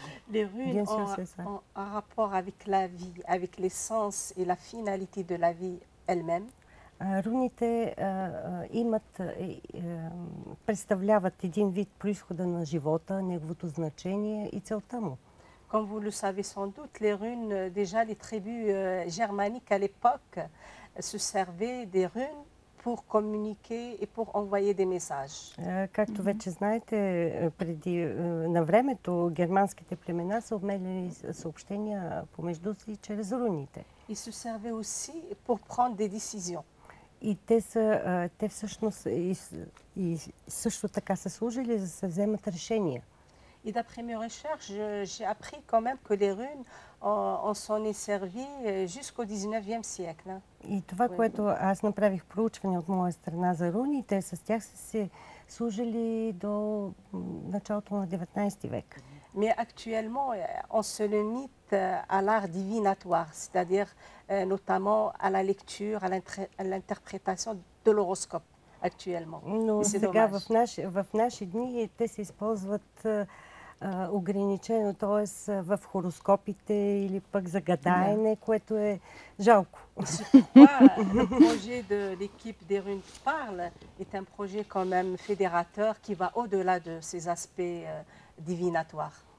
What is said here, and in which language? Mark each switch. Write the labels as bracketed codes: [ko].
[fr] Les runes ont un rapport avec la vie, avec l'essence et la finalité de la vie elle-même. [bg] Руните имат, представляват един вид произхода на живота, неговото значение и целта му. [fr] Comme vous le savez sans doute, les runes, déjà les tribus germaniques à l'époque se servaient des runes pour communiquer et pour envoyer des messages. [bg] Както вече знаете, преди на времето германските племена са обменяли съобщения помежду си чрез руните. [fr] Ils se servaient aussi pour prendre des décisions. [bg] И те са, те всъщност и също така са служили за да се вземат решения. И [fr] d'après mes recherches, j'ai appris quand même que les runes en sont servies jusqu'au 19e siècle. [bg] И това, което аз направих проучване от моя страна за руните, с тях са се служили до началото на 19 век. [fr] Mais actuellement, on se limite à l'art divinatoire, c'est-à-dire notamment à la lecture, à l'interprétation de l'horoscope actuellement. [bg] Но сега в наши дни те се използват ограничено, т.е. в хороскопите или пък за гадаене, което е жалко. [fr] Le projet de l'équipe des runes parle est un projet quand même fédérateur qui va au-delà de ces aspects divinatoires.